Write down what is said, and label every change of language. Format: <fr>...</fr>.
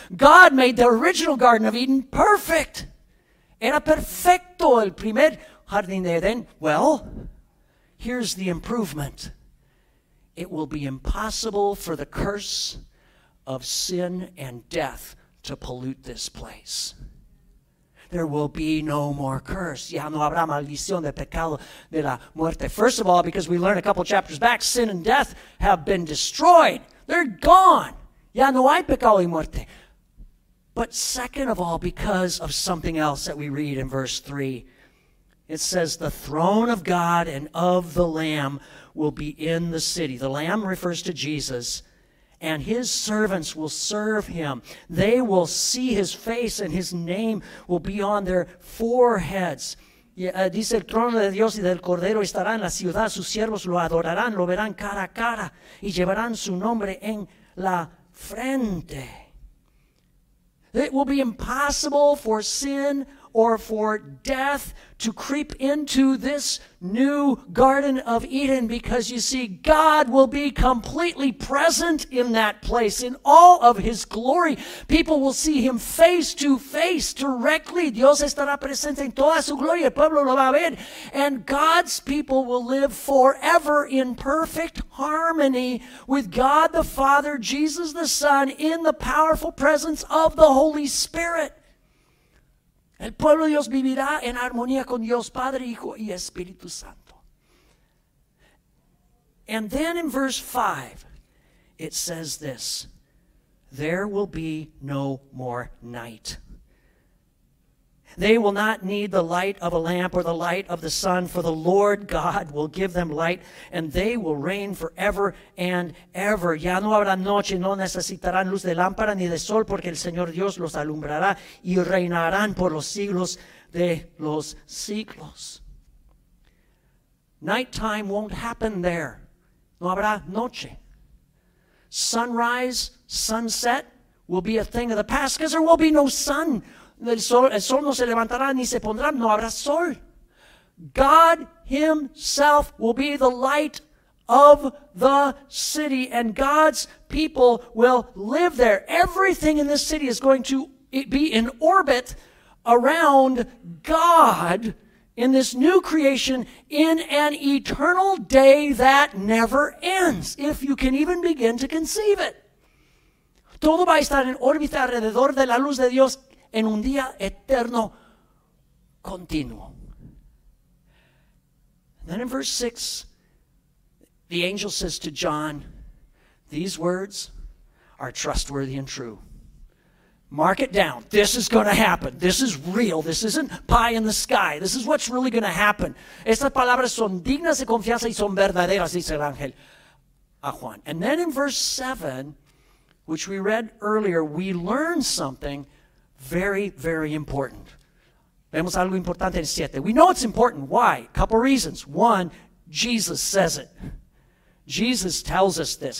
<en>God made the original Garden of Eden perfect.</en> <es>Era perfecto el primer jardín de Eden.</es> <en>Well, here's the improvement. It will be impossible for the curse of sin and death to pollute this place. There will be no more curse.</en> <es>Ya no habrá maldición de pecado de la muerte.</es> <en>First of all, because we learned a couple chapters back, sin and death have been destroyed. They're gone.</en> <es>Ya no hay pecado y muerte.</es> <en>But second of all, because of something else that we read in verse 3, it says, the throne of God and of the Lamb will be in the city. The Lamb refers to Jesus, and his servants will serve him. They will see his face, and his name will be on their foreheads.</en> <es>Dice, el trono de Dios y del Cordero estará en la ciudad. Sus siervos lo adorarán, lo verán cara a cara, y llevarán su nombre en la frente.</es> <en>It will be impossible for sin or for death to creep into this new Garden of Eden, because you see, God will be completely present in that place in all of his glory. People will see him face to face, directly.</en> <es>Dios estará presente en toda su gloria. El pueblo lo va a ver.</es> <en>And God's people will live forever in perfect harmony with God the Father, Jesus the Son, in the powerful presence of the Holy Spirit.</en> <es>El pueblo de Dios vivirá en armonía con Dios Padre, Hijo y Espíritu Santo.</es> <en>And then in verse 5, it says this, there will be no more night. They will not need the light of a lamp or the light of the sun, for the Lord God will give them light, and they will reign forever and ever.</en> <es>Ya no habrá noche, no necesitarán luz de lámpara ni de sol, porque el Señor Dios los alumbrará y reinarán por los siglos de los siglos.</es> <en>Nighttime won't happen there.</en> <es>No habrá noche.</es> <en>Sunrise, sunset will be a thing of the past, because there will be no sun.</en> <es>El sol no se levantará ni se pondrá, no habrá sol.</es> <en>God himself will be the light of the city, and God's people will live there. Everything in this city is going to be in orbit around God in this new creation in an eternal day that never ends, if you can even begin to conceive it.</en> <es>Todo va a estar en órbita alrededor de la luz de Dios en un día eterno continuo.</es> <en>Then in verse 6, the angel says to John, these words are trustworthy and true. Mark it down. This is going to happen. This is real. This isn't pie in the sky. This is what's really going to happen.</en> <es>Estas palabras son dignas de confianza y son verdaderas, dice el ángel a Juan.</es> <en>And then in verse 7, which we read earlier, we learn something very, very important.</en> <es>Vemos algo importante en 7.</es> <en>We know it's important. Why? A couple reasons. One, Jesus says it. Jesus tells us this.</en>